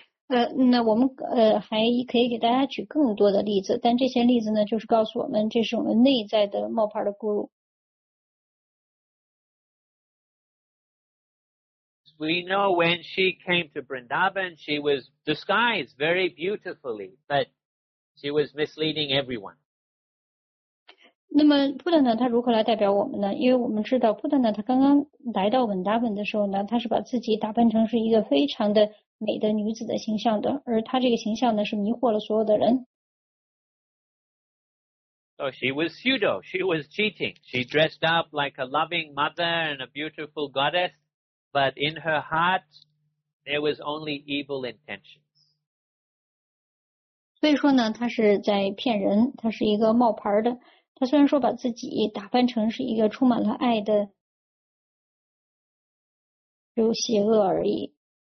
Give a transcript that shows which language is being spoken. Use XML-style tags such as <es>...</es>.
<zh>那我们还可以给大家举更多的例子，但这些例子呢，就是告诉我们，这是我们内在的冒牌的咕噜。</zh> <en>We know when she came to Vrindavan, she was disguised very beautifully, but she was misleading everyone.</en> <zh>那么布达呢，他如何来代表我们呢？因为我们知道布达呢，他刚刚来到Vrindavan的时候呢，他是把自己打扮成是一个非常的。美的女子的形象的，而她这个形象呢，是迷惑了所有的人。</zh> <en>So she was pseudo, she was cheating. She dressed up like a loving mother and a beautiful goddess, but in her heart, there was only evil intentions.</en> <zh>所以说呢，她是在骗人，她是一个冒牌的。她虽然说把自己打扮成是一个充满了爱的，只有邪恶而已。</zh>